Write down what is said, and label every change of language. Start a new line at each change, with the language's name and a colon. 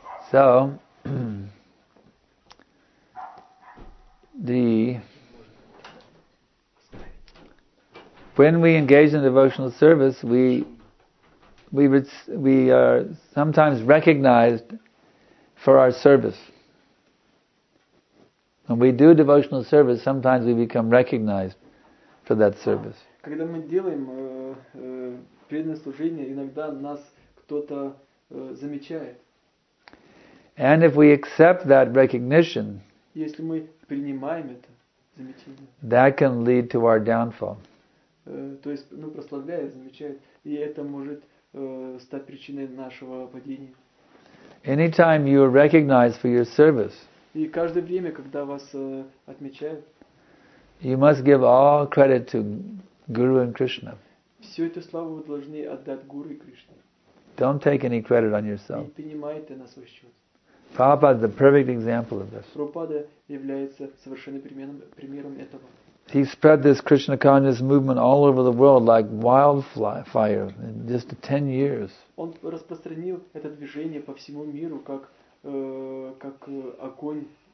English: So, when we engage in devotional service, we are sometimes recognized for our service. When we do devotional service, sometimes we become recognized for that service.
Russian: Когда мы делаем преданное служение, иногда нас кто-то замечает.
English: And if we accept that recognition,
Russian: если мы принимаем это замечание,
English: that can lead to our downfall.
Russian: То есть, ну, прославляет, замечает, и это может стать причиной нашего падения.
English: Anytime you are recognized for your service.
Russian: И каждое время, когда вас отмечают,
English: you must give all credit to Guru and Krishna.
Russian: Всю эту славу вы должны отдать Гуру и Кришне.
English: Don't take any credit on yourself.
Russian: Не принимайте на свой счет.
English: Prabhupada is the perfect example of this.
Russian: Прабхупада является совершенным примером этого.
English: He spread this Krishna consciousness movement all over the world like wildfire in just 10 years.
Russian: Он распространил это движение по всему миру как огонь.